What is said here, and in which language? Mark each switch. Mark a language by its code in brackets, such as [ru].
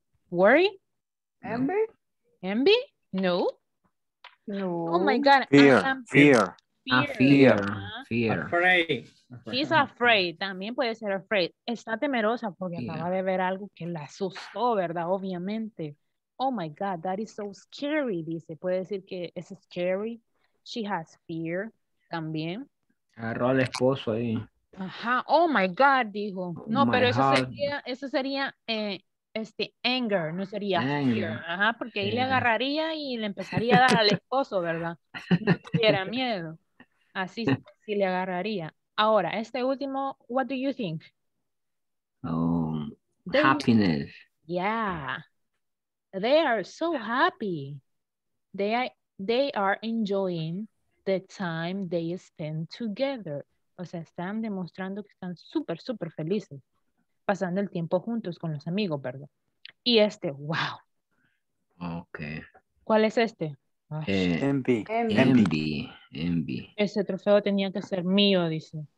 [en] Worry? Envy? No. No. Oh my God. Fear. Afraid. She's afraid. [es] También puede ser [en] afraid. [es] Está temerosa porque acaba de ver algo que la asustó, ¿verdad? Obviamente. [en] Oh my God, that is so scary, dice. [es] Puede decir que es scary. [en] She has fear [es] también. Agarró al esposo ahí. [en] Ajá. Oh my God, dijo. [es] No, pero eso sería anger, no sería anger. Fear. Ajá, porque ahí le agarraría y le empezaría a dar al esposo, ¿verdad? No tuviera miedo. Así sí le agarraría. Ahora, este último, [en] what do you think? Happiness. Yeah. They are so happy. They they are enjoying the time they spend together. [es] O sea, están demostrando que están súper, súper felices pasando el tiempo juntos con los amigos, ¿verdad? Y este, wow. [en] Ok. [es] ¿Cuál es este? [en] Envy. Envy. [es] Ese trofeo tenía que ser mío, dice.